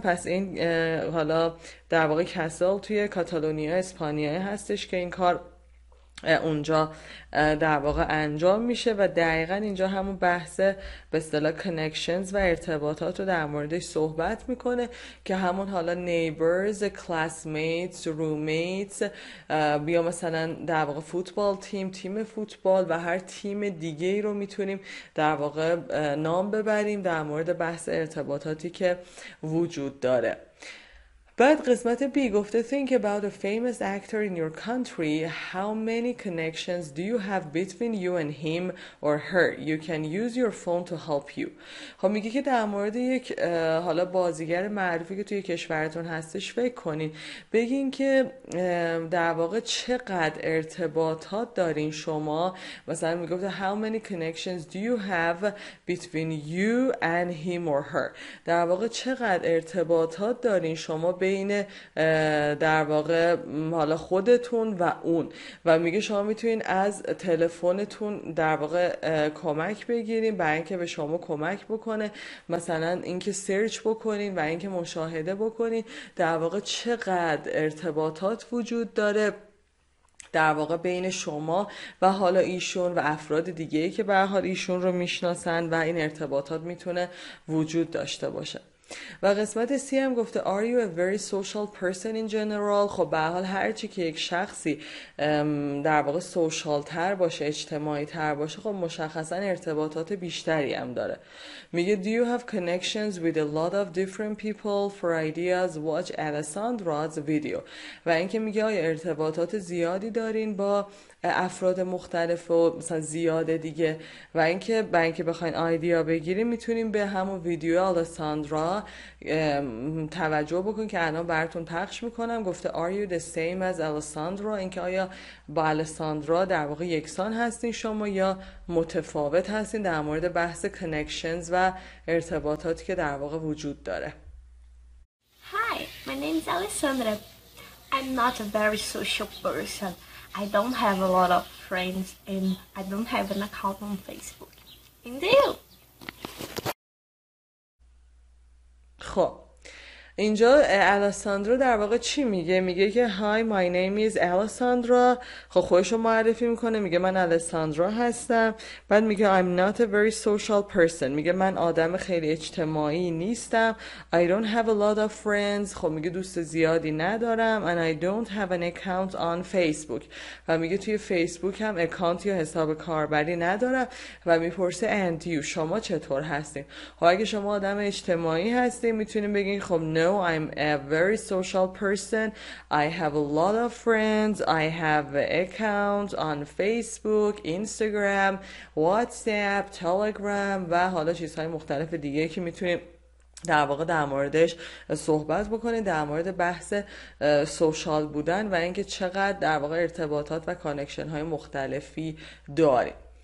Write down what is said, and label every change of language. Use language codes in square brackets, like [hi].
[fa] پس این حالا در واقع کسل توی کاتالونیا اسپانیایی هستش که این کار اونجا در واقع انجام میشه، و دقیقا اینجا همون بحث به اصطلاح connections و ارتباطات رو در موردش صحبت میکنه که همون حالا [en] neighbors, classmates, roommates، [fa] یا مثلا در واقع فوتبال تیم، تیم فوتبال، و هر تیم دیگه رو میتونیم در واقع نام ببریم در مورد بحث ارتباطاتی که وجود داره. بعد قسمت B گفته [en] think about a famous actor in your country. How many connections do you have between you and him or her? You can use your phone to help you. [fa] خب میگه که در مورد یک حالا بازیگر معروفی که توی کشورتون هستش فکر کنین، بگین که در واقع چقدر ارتباطات دارین شما. مثلا میگفته [en] how many connections do you have between you and him or her. [fa] در واقع چقدر ارتباطات دارین شما بین در واقع حالا خودتون و اون، و میگه شما میتونین از تلفنتون در واقع کمک بگیرین برای اینکه به شما کمک بکنه، مثلا اینکه سرچ بکنین و اینکه مشاهده بکنین در واقع چقدر ارتباطات وجود داره در واقع بین شما و حالا ایشون و افراد دیگه‌ای که به هر حال ایشون رو میشناسن، و این ارتباطات میتونه وجود داشته باشه. و قسمت سی هم گفته [en] Are you a very social person in general؟ [fa] خب به حال هرچی که یک شخصی در واقع سوشال تر باشه، اجتماعی تر باشه، خب مشخصا ارتباطات بیشتری هم داره. میگه [en] Do you have connections with a lot of different people for ideas? Watch Alessandra's video. [fa] و اینکه میگه آیا ارتباطات زیادی دارین با افراد مختلف و مثلا زیاده دیگه، و اینکه برای اینکه بخواین ایده بگیریم میتونیم به همون ویدیو آلساندرا توجه بکنیم که الان براتون پخش میکنم. گفته [en] Are you the same as Alessandra؟ [fa] اینکه آیا با آلساندرا در واقع یکسان هستین شما یا متفاوت هستین در مورد بحث کانکشنز و ارتباطاتی که در واقع وجود داره. [en] Hi, my name is Alessandra. I'm not a very social person. I don't have a lot of friends and I don't have an account on Facebook. And you? [fa] خب اینجا الیساندرا در واقع چی میگه؟ میگه که [en] Hi, my name is [fa] الیساندرا. خب خودشو معرفی میکنه، میگه من الیساندرا هستم. بعد میگه [en] I'm not a very social person. [fa] میگه من آدم خیلی اجتماعی نیستم. [en] I don't have a lot of friends. [fa] خب میگه دوست زیادی ندارم. [en] And I don't have an account on Facebook. [fa] و میگه توی فیسبوک هم اکانت یا حساب کاربری ندارم. و میپرسه [en] And you؟ [fa] شما چطور هستین؟ خب اگه شما آدم اجتماعی هستین میتونین بگین خب [en] No, I'm a very social person. I have a lot of friends. I have an account on Facebook, Instagram, WhatsApp, Telegram [fa] و حالا چیزهای مختلف دیگه که میتونیم در واقع در موردش صحبت بکنیم، در مورد بحث سوشال بودن و اینکه چقدر در واقع ارتباطات و کانکشن های مختلفی داریم.